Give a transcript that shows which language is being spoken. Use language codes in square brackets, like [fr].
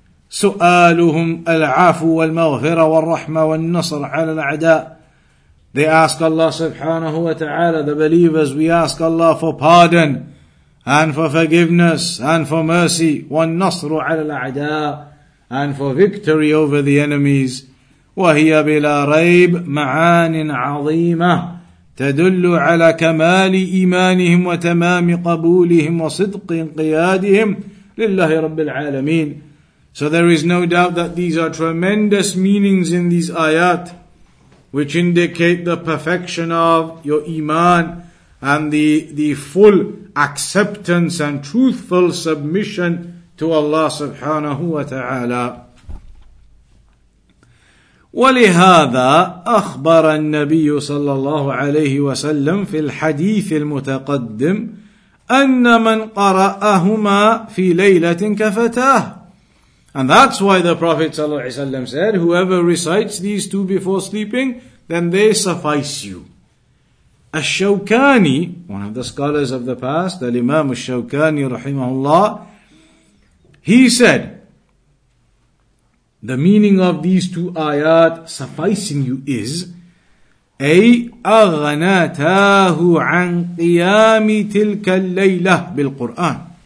[ar] سُؤَالُهُمْ الْعَافُ وَالْمَغْفِرَةُ وَالرَّحْمَةُ وَالنَّصْرُ عَلَى الْأَعْدَاءِ, [en] they ask Allah subhanahu wa ta'ala, the believers, we ask Allah for pardon and for forgiveness and for mercy. [ar] وَالنَّصْرُ عَلَى الْأَعْدَاءِ, [en] and for victory over the enemies. [ar] وَهِيَ بِلَا رَيْبٍ مَعَانٍ عَظِيمَةٍ تدل على كمال إيمانهم وتمام قبولهم وصدق انقيادهم لله رب العالمين. [en] So there is no doubt that these are tremendous meanings in these ayat, which indicate the perfection of your iman and the full acceptance and truthful submission to Allah subhanahu wa ta'ala. [ar] ولهذا أخبر النبي صلى الله عليه وسلم في الحديث المتقدم أن من قرأهما في ليلة كفتاه. [en] And that's why the Prophet صلى الله عليه وسلم said, whoever recites these two before sleeping, then they suffice you. الشوكاني, one of the scholars of the past, [ar] الإمام الشوكاني رحمه الله, [en] he said, the meaning of these two ayat sufficing you is, [ar] أي أغناتاه عن قيام تلك الليلة بالقرآن.